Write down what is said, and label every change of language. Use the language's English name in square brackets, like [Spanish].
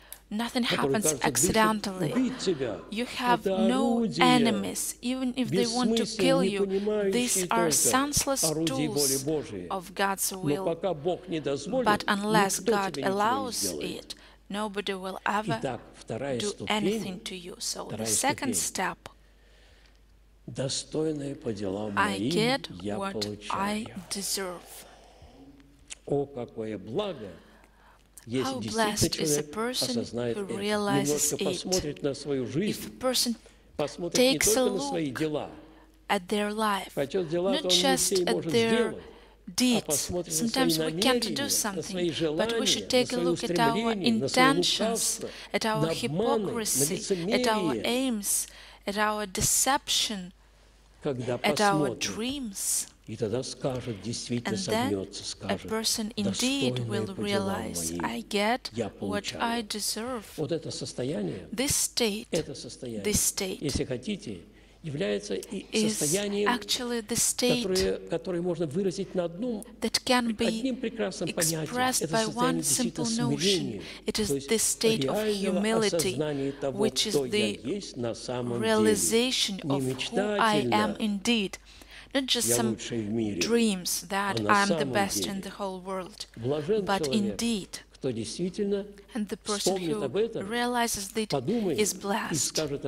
[English] Nothing happens accidentally. You have no enemies, even if they want to kill you. These are senseless tools of God's will. But unless God allows it, nobody will ever do anything to you. So the second step, [Russian] достойное по делам моим, я получаю. О, какое благо, если действительно человек осознает это. Немножко посмотрит на свою жизнь, посмотрит не только на свои дела, хотя дела, то он не все может сделать. [English] Deeds. Sometimes we can't do something, but we should take a look at our intentions, at our hypocrisy, at our aims, at our deception, at our dreams. And then a person indeed will realize, I get what I deserve. This state, [Russian] является состоянием, которое можно выразить на одном, одним прекрасным понятием. Это состояние действительно смирения, то есть реального осознания того, кто есть на самом деле. [English] Not just some dreams that I'm the best in the whole world, but indeed, and the person who realizes that is blessed.